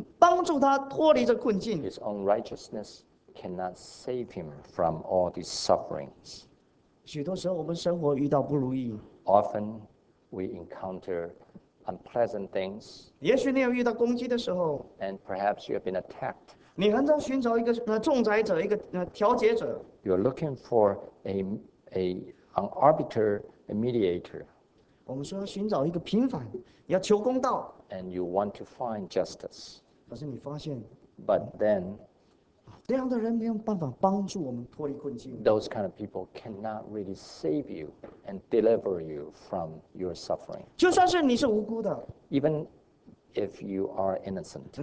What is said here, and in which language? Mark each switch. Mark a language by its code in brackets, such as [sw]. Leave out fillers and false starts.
[en] His own righteousness cannot save him from all these sufferings. [zh] 许多时候我们生活遇到不如意, [en] often we encounter unpleasant things. [zh] 也许你有遇到攻击的时候, [en] and perhaps you have been attacked. [zh] 你很常寻找一个仲裁者，一个调解者。 [en] You're looking for an arbiter, a mediator. [zh] 我们说要寻找一个平反, 要求公道。 [en] And you want to find justice. [zh] 可是你发现, [en] but then, [zh] 这样的人没有办法帮助我们脱离困境。 [en] Those kind of people cannot really save you and deliver you from your suffering. [zh] 就算是你是无辜的, [en] even if you are innocent,